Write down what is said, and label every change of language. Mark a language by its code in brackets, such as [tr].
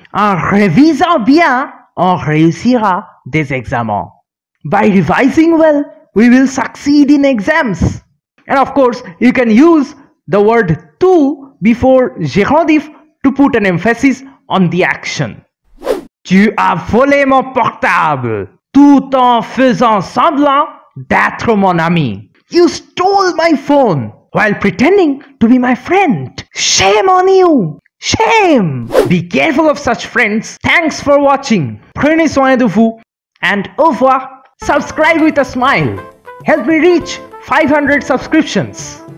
[fr] En révisant bien, on réussira des examens. [en] By revising well, we will succeed in exams. And of course, you can use the word to before gérondif to put an emphasis on the action. [fr] Tu as volé mon portable tout en faisant semblant d'être mon ami. [en] You stole my phone while pretending to be my friend. Shame on you! Shame! Be careful of such friends. Thanks for watching. [fr] Prenez soin de vous. [en] And au revoir. Subscribe with a smile. Help me reach 500 subscriptions.